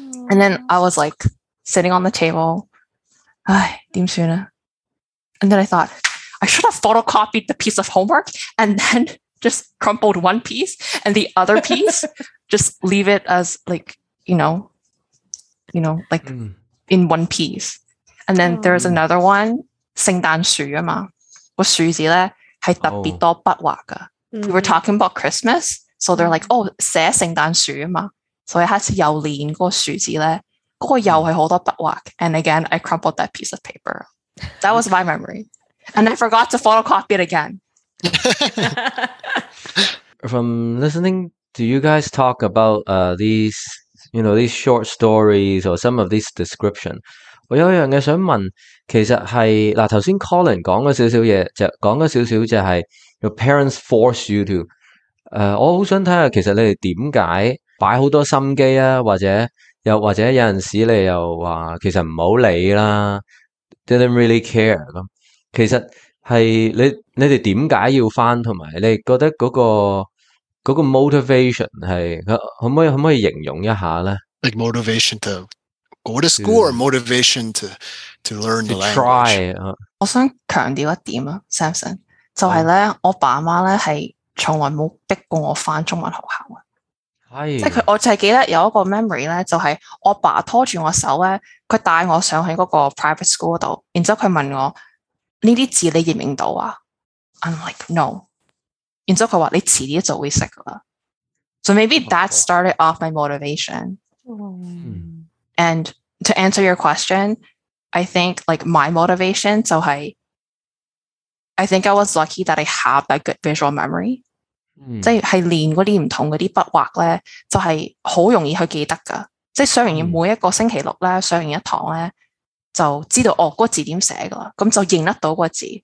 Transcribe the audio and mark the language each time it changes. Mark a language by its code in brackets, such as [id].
[en] And then I was like sitting on the table, [yue] 唉點算啊 [en] ？And then I thought I should have photocopied the piece of homework and then just crumpled one piece and the other piece just leave it as like you know like、mm. in one piece. And then、oh. there's another one. [yue] 聖誕樹啊嘛，個樹字咧係特別多筆畫噶。 Oh. [en] We were talking about Christmas, so they're like, "Oh, [yue] 寫聖誕樹啊嘛。所以開始又練嗰個樹字咧，嗰個又係好多筆畫。 [en] And again, I crumpled that piece of paper. That was my memory, and I forgot to photocopy it again. From listening to you guys talk about these, you know, these short stories or some of these description. [yue] 我有一樣嘢想問，其實係嗱頭先 Colin 講咗少少嘢，就講咗少少就係 [en] your parents force you to， [yue] 我好想睇下其實你哋點解擺好多心機啊，或者有陣時你又話其實唔好理啦 ， [en] didn't really care [yue] 咁，其實係你哋點解要翻，同埋你覺得嗰個 motivation 係可唔可以形容一下咧 [en] ？Like motivation to。 Go to school or motivation to learn the language? To try. [yue] 我想強調一點啊 ,Samson, 就係呢、oh. 我爸媽呢係從來冇逼過我返中文學校。係。即係我就係記得有一個 memory 呢就係我爸拖住我手呢佢帶我上去嗰個 private school 嗰度然之後佢問我呢啲字你認唔認到啊 ? [en] I'm like, no. [yue] 然之後佢話你遲啲就會識㗎啦。 [en] So maybe that started off my motivation.、 Oh. And to answer your question, I think like my motivation, so I think I was lucky that I have that good visual memory. [yue] 即係練嗰啲唔同嗰啲筆畫咧，就係好容易去記得噶。即係上完每一個星期六咧，上完一堂咧，就知道哦嗰個字點寫噶啦，咁就認得到個字。